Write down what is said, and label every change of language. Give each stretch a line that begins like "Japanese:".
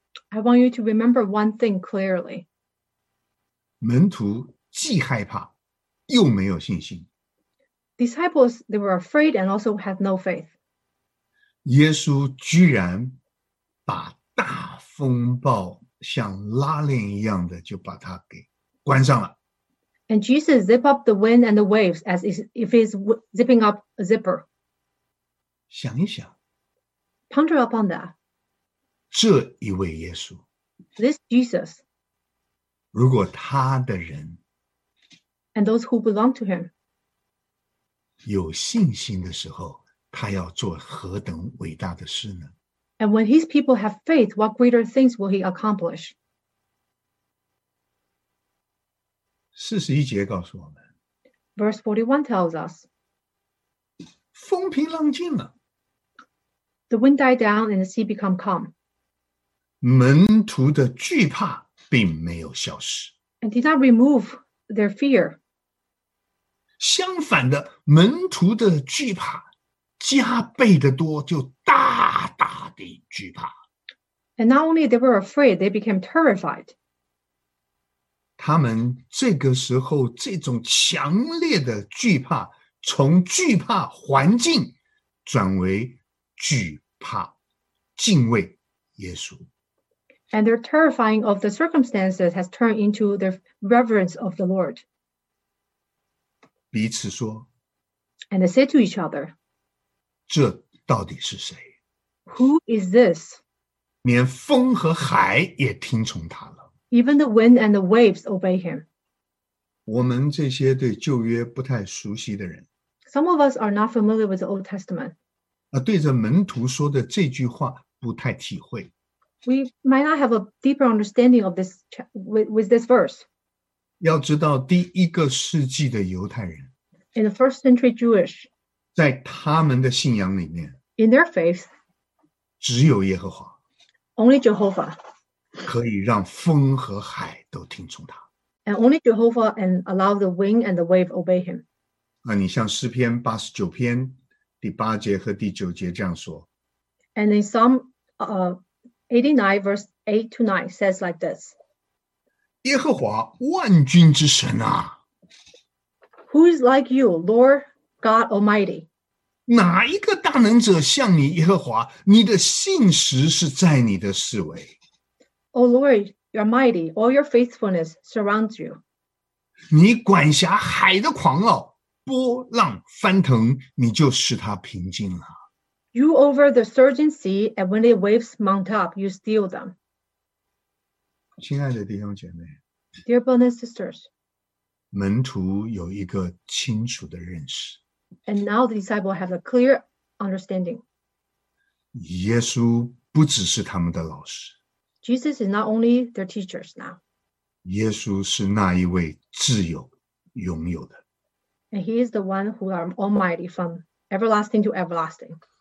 English: I want you to remember one thing clearly.
Chinese: 门徒既害怕又没有信心。
English: Disciples, they were afraid and also had no faith.
Chinese: 耶稣居然把大风暴像拉链一样的就把它给关上了。
English: And Jesus zip up the wind and the waves as if he's zipping up a zipper.
Chinese: 想一想。
English: Ponder upon that.
Chinese: 这一位耶稣。
English: This Jesus.
Chinese: 如果他的人
English: and those who belong to him
Chinese: 有信心的时候他要做何等伟大的事呢
English: and when his people have faith what greater things will he accomplish
Chinese: 四十一节告诉我们
English: verse 41 tells us
Chinese: 风平浪静了
English: the wind died down and the sea became calm
Chinese: 门徒的惧怕并没有消失
English: and did not remove their fear.
Chinese: 相反的，门徒的惧怕加倍的多，就大大的惧怕。
English: And not only they were afraid, they became terrified.
Chinese: 他们这个时候这种强烈的惧怕，从惧怕环境转为惧怕敬畏耶稣。
English: And their terrifying of the circumstances has turned into their reverence of the Lord.
Chinese: 彼此说,
English: and they said to each other,
Chinese: 这到底是谁?
English: Who is this?
Chinese: 连风和海也听从他了。
English: Even the wind and the waves obey him.
Chinese: 我们这些对旧约不太熟悉的人,
English: Some of us are not familiar with the Old Testament.
Chinese: 对着门徒说的这句话不太体会。
English: We might not have a deeper understanding of this with this verse.
Chinese: 要知道第一个世纪的犹太人
English: In the first century Jewish.
Chinese: 在他们的信仰里面
English: In their faith.
Chinese: 只有耶和华
English: Only Jehovah.
Chinese: 可以让风和海都听从他
English: And only Jehovah and allow the wind and the wave obey him.
Chinese: 你像诗篇八十九篇第八节和第九节这样说
English: And in some, 89 verse 8 to 9 says like this.
Chinese: 耶和华万军之神啊。
English: Who is like you, Lord God Almighty?
Chinese: 哪一个大能者像你耶和华你的信实是在你的四围。
English: O Lord, you're mighty, all your faithfulness surrounds you.
Chinese: 你管辖海的狂傲波浪翻腾你就使它平静了。
English: You over the surging sea, and when the waves mount up, you steal them.
Chinese: 亲爱的弟兄姐妹
English: Dear brothers and sisters,
Chinese: 门徒有一个清楚的认识
English: And now the disciples have a clear understanding.
Chinese: 耶稣不只是他们的老师。
English: Jesus is not only their teachers now.
Chinese: 耶稣是那一位自由拥有的。
English: And he is the one who are almighty from everlasting to everlasting.